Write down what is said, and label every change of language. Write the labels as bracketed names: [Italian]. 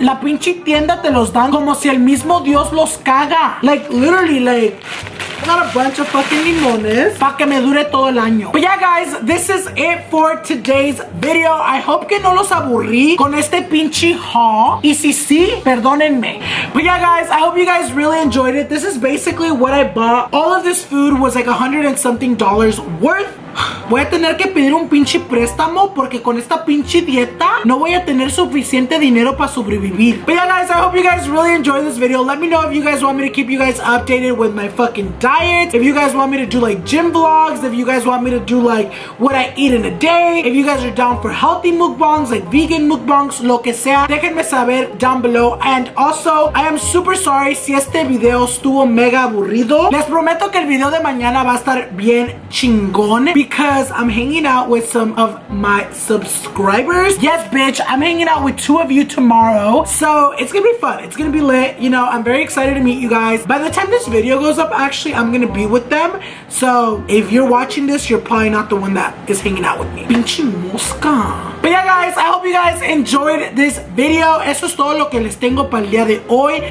[Spanish] La pinche tienda te los dan como si el mismo Dios los caga. [English] Like, literally, like... I got a bunch of fucking limones. [Spanish] Pa' que me dure todo el año. [English] But yeah, guys, this is it for today's video. I hope [Spanish] que no los aburrí con este pinche haul. Y si sí, perdónenme. [English] But yeah, guys, I hope you guys really enjoyed it. This is basically what I bought. All of this food was like 100 and something dollars worth. [Spanish] Voy a tener que pedir un pinche préstamo porque con esta pinche dieta no voy a tener suficiente dinero para sobrevivir. [English] But yeah, guys, I hope you guys really enjoyed this video. Let me know if you guys want me to keep you guys updated with my fucking diet. If you guys want me to do like gym vlogs. If you guys want me to do like what I eat in a day. If you guys are down for healthy mukbangs, like vegan mukbangs, [Spanish] lo que sea. Déjenme saber [English] down below. And also, I am super sorry [Spanish] si este video estuvo mega aburrido. Les prometo que el video de mañana va a estar bien chingón. [English] Because I'm hanging out with some of my subscribers. Yes, bitch, I'm hanging out with two of you tomorrow. So it's gonna be fun. It's gonna be lit. You know, I'm very excited to meet you guys. By the time this video goes up, actually, I'm gonna be with them. So if you're watching this, you're probably not the one that is hanging out with me. [Spanish] Pinche mosca. [English] But yeah, guys, I hope you guys enjoyed this video. [Spanish] Eso es todo lo que les tengo para el día de hoy.